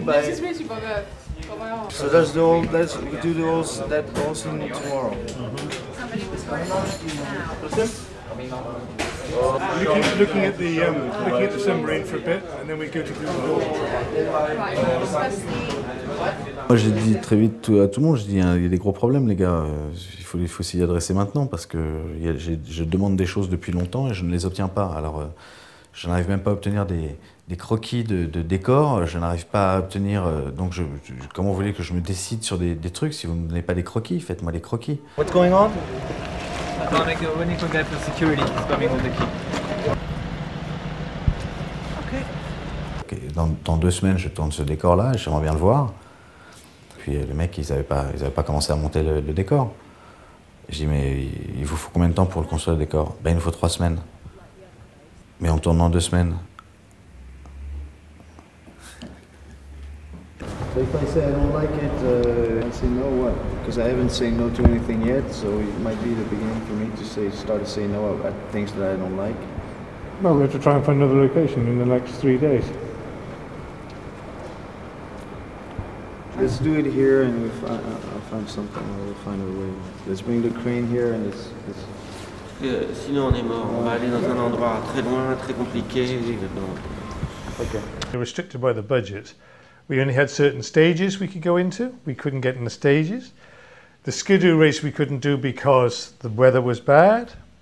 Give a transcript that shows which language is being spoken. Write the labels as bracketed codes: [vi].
[en] by... This missed you by the... So that's the whole... Let's do the whole... That whole thing tomorrow. Mm-hmm. Somebody was going to... Looking at the... looking at the submarine for a bit, and then we go to do the whole... [fr] Moi j'ai dit très vite à tout le monde, j'ai dit il y a des gros problèmes les gars, il faut s'y adresser maintenant parce que je demande des choses depuis longtemps et je ne les obtiens pas. Alors je n'arrive même pas à obtenir des croquis de décor, je n'arrive pas à obtenir, donc comment vous voulez que je me décide sur des trucs si vous ne me donnez pas des croquis, faites-moi des croquis. [en] What's going on? I'm waiting for a guy for security, he's coming with the key. Okay. [fr] Dans 2 semaines je tourne ce décor là, j'aimerais bien le voir. Puis les mecs, ils n'avaient pas commencé à monter le décor. Je dis, mais il vous faut combien de temps pour le construire le décor? Ben, il nous faut 3 semaines. Mais on tourne en 2 semaines. [en] So if I say I don't like it, I say no, what? Because I haven't said no to anything yet, so it might be the beginning for me to say, start to say no at things that I don't like. Well, we have to try and find another location in the next 3 days. Let's do it here and I'll find something, I'll find a way. Let's bring the crane here and it's... [fr] Sinon on est mort, on va aller dans un endroit très loin, très compliqué. [en] Okay. Restricted by the budget. We only had certain stages we could go into. We couldn't get in the stages. The skidoo race we couldn't do because the weather was bad.